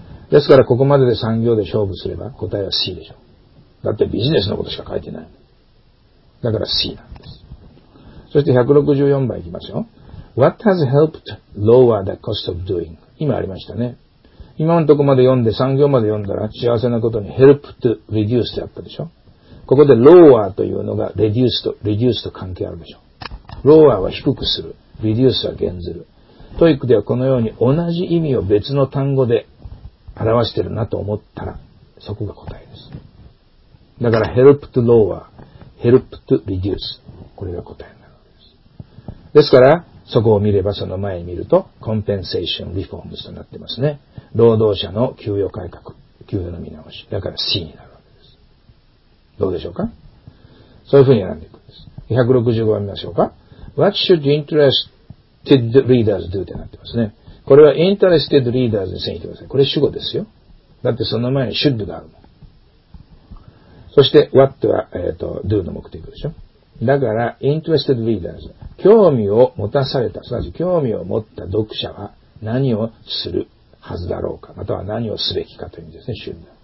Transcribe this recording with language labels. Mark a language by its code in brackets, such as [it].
[ja] ですからここまでで産業で勝負すれば答えは C でしょ。だってビジネスのことしか書いてない。だから C なんです。そして164番いきますよ。 [en] What has helped lower the cost of doing? [ja] 今ありましたね。今のとこまで読んで、産業まで読んだら幸せなことに [en] help to reduce [ja] ってあったでしょ。ここで lower というのが reduce と関係あるでしょ。 lower は低くする。reduce は減ずる。TOEICではこのように同じ意味を別の単語で表してるなと思ったら、そこが答えです。 [en] だから help to lower。 help to reduce [ja] これが答えになるわけです。ですからそこを見ればその前に見ると [en] compensation reforms [ja] となってますね。労働者の給与改革、給与の見直しだから C になるわけです。どうでしょうか。そういうふうに選んでいくんです。 165番見ましょうか。 [en] What should interested readers do [ja] ってなってますね。これは [en] interested readers [ja] に線引いてください。これ主語ですよ。だってその前に should があるの。そして、what は、do の目的でしょ。だから、 [en] interested readers、 [ja] 興味を持たされた、すなわち興味を持った読者は何をするはずだろうか、または何をすべきかという意味ですね、should。